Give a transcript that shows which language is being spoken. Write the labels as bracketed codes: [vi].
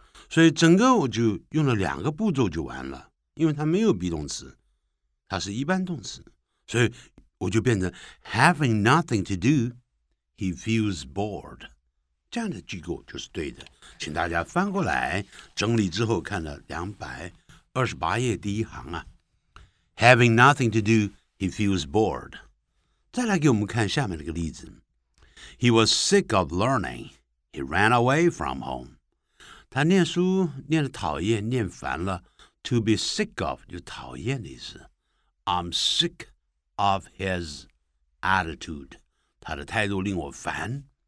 [zh] 所以整个我就用了两个步骤就完了，因为它没有 be 动词，它是一般动词，所以我就变成 [en] having nothing to do, he feels bored, [zh] 这样的句构就是对的。请大家翻过来整理之后看了228页第一行啊， [en] Having nothing to do, he feels bored. [zh] 再来给我们看下面那个例子， [en] He was sick of learning, he ran away from home. [zh] 他念书念得讨厌，念烦了。 [en] To be sick of [zh] 就讨厌的意思， [en] I'm sick of his attitude, [zh] 他的态度令我烦。